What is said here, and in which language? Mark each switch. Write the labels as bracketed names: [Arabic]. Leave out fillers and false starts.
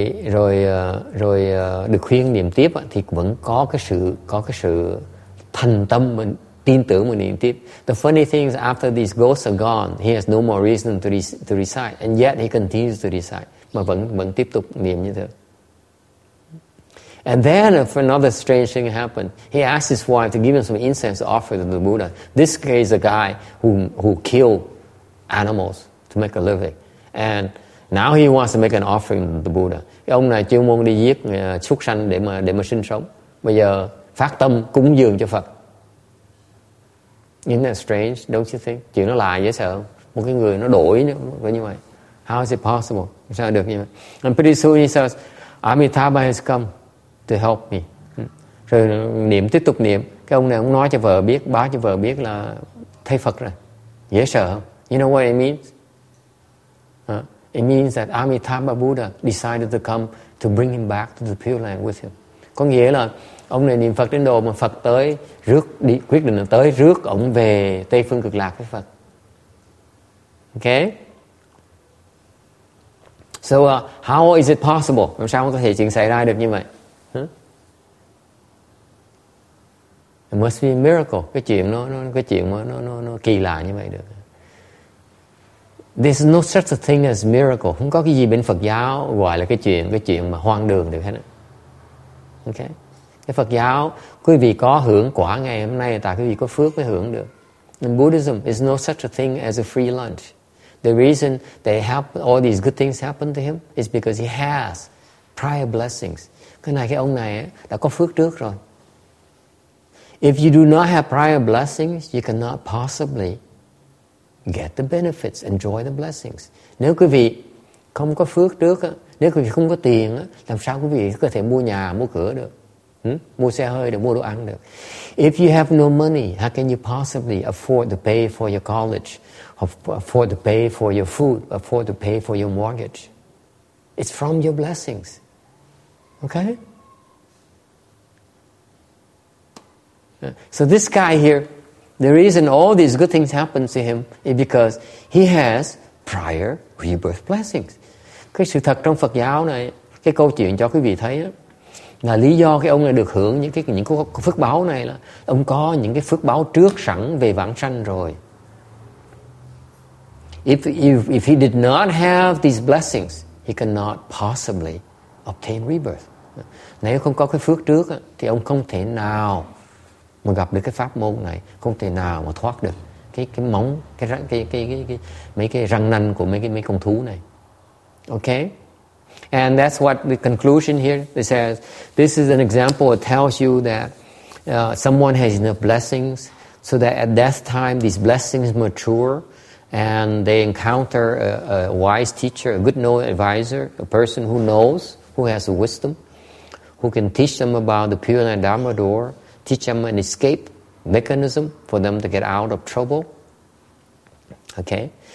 [Vietnamese] Rồi được khuyên niệm tiếp á, thì vẫn có cái sự thành tâm mình. Tin tưởng mình niệm tiếp. [English] The funny thing is, after these ghosts are gone, he has no more reason to recite, and yet he continues to recite. [Vietnamese] Mà vẫn tiếp tục niệm như thế. [English] And then another strange thing happened. He asked his wife to give him some incense to offer to the Buddha. This guy is a guy who killed animals to make a living, and now he wants to make an offering to the Buddha. [Vietnamese] Ông này chuyên môn đi giết súc sanh để mà sinh sống. Bây giờ phát tâm cúng dường cho Phật. [English] Isn't that strange, don't you think? [Vietnamese] Chuyện nó lạ dễ sợ. Một cái người nó đổi như vậy. [English] How is it possible? [Vietnamese] Sao được như vậy? [English] And pretty soon he says, Amitabha has come. to help me. [Vietnamese] Rồi niệm, tiếp tục niệm. Cái ông này ông nói cho vợ biết, báo cho vợ biết là thấy Phật rồi. Dễ sợ không? [English] You know what it means? It means that Amitabha Buddha decided to come to bring him back to the Pure Land with him. [Vietnamese] Có nghĩa là ông này niệm Phật đến đồ mà Phật tới rước đi, quyết định là tới rước ông về Tây Phương Cực Lạc với Phật. Okay? [English] So how is it possible? [Vietnamese] Làm sao có thể chuyện xảy ra được như vậy? [English] It must be a miracle. [Vietnamese] Cái chuyện nó kỳ lạ như vậy được. [English] There's no such a thing as miracle. [Vietnamese] Không có cái gì bên Phật giáo gọi là cái chuyện mà hoang đường được hết. Okay. Cái Phật giáo, quý vị có hưởng quả ngày hôm nay tại quý vị có phước mới hưởng được. [English] In Buddhism, there's no such a thing as a free lunch. The reason they have all these good things happen to him is because he has prior blessings. [Vietnamese] Cái ông này đã có phước trước rồi. [English] If you do not have prior blessings, you cannot possibly get the benefits, enjoy the blessings. [Vietnamese] Nếu quý vị không có phước trước, nếu quý vị không có tiền, làm sao quý vị có thể mua nhà, mua cửa được? Mua xe hơi được, mua đồ ăn được. [English] If you have no money, how can you possibly afford to pay for your college, afford to pay for your food, afford to pay for your mortgage? It's from your blessings. Okay? So this guy here, the reason all these good things happen to him is because he has prior rebirth blessings. [Vietnamese] Cái sự thật trong Phật giáo này, cái câu chuyện cho quý vị thấy là lý do cái ông này được hưởng những phước báo này là ông có những cái phước báo trước sẵn về vãng sanh rồi. [English] If he did not have these blessings, he cannot possibly obtain rebirth. [Vietnamese] Nếu không có cái phước trước thì ông không thể nào mà gặp được cái pháp môn này, không thể nào mà thoát được cái móng, cái răng, cái mấy cái răng nanh của mấy con thú này. [English] Okay? And that's what the conclusion here, it says, this is an example that tells you that someone has enough blessings so that at death time these blessings mature and they encounter a wise teacher, a good knowing advisor, a person who knows, who has the wisdom, who can teach them about the Pure Land Dharma door, teach them an escape mechanism for them to get out of trouble. Okay?